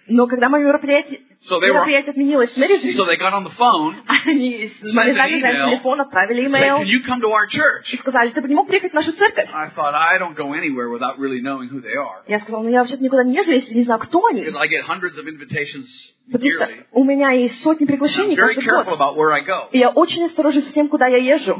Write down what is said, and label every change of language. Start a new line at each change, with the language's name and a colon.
Russian: Но когда мое мероприятие отменилось в Мэрисвилл,
English: so they got on the phone,
Russian: они сказали на телефон, отправили email,
English: said, can you come to our church?
Russian: И сказали, ты бы не мог приехать в нашу церковь?
English: I thought, I don't go anywhere without really knowing who they are.
Russian: Я сказал, ну я вообще-то никуда не езжу, если не знаю, кто они.
English: Because I get hundreds of invitations.
Russian: Потому что у меня есть сотни приглашений каждый год. И я очень осторожен с тем, куда я езжу.